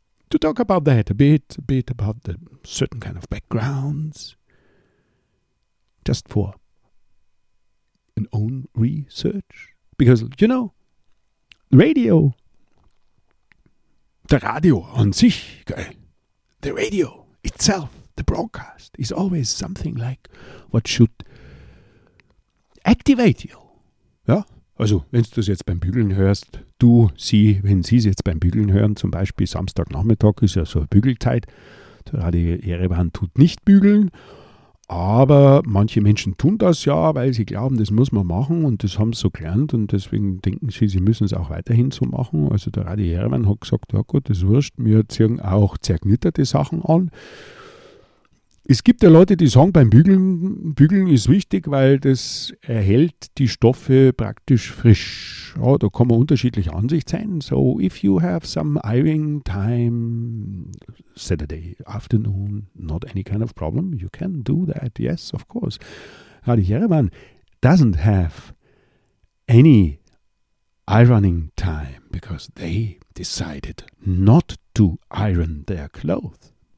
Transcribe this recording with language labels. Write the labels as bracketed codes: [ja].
[en] To talk about that a bit about the certain kind of backgrounds, just for an own research. Because, you know, radio, the radio [de] an sich, [en] the radio itself, the broadcast, is always something like what should activate you. [de] Ja, also, wenn du es jetzt beim Bügeln hörst, du, sie, wenn sie es jetzt beim Bügeln hören, zum Beispiel Samstagnachmittag ist ja so eine Bügelzeit, der Radio Jerewan tut nicht bügeln. Aber manche Menschen tun das ja, weil sie glauben, das muss man machen und das haben sie so gelernt und deswegen denken sie, sie müssen es auch weiterhin so machen. Also der Radio Jerewan hat gesagt, ja gut, das wurscht, wir ziehen auch zerknitterte Sachen an. Es gibt ja Leute, die sagen, beim Bügeln ist wichtig, weil das erhält die Stoffe praktisch frisch. Ja, da kann man unterschiedlicher Ansicht sein. [en] So if you have some ironing time Saturday afternoon, not any kind of problem, you can do that, yes, of course. Radio Jerewan doesn't have any ironing time because they decided not to iron their clothes.